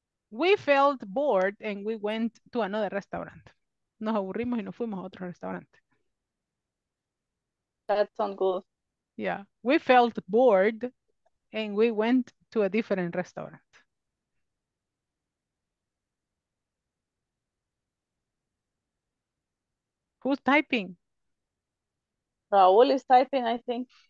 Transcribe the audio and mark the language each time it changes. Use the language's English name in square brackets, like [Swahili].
[English] We felt bored and we went to another restaurant. [Spanish] Nos aburrimos y nos fuimos a otro restaurante. [English] That sounds good. Yeah. We felt bored and we went to a different restaurant. Who's typing? Raul is typing, I think.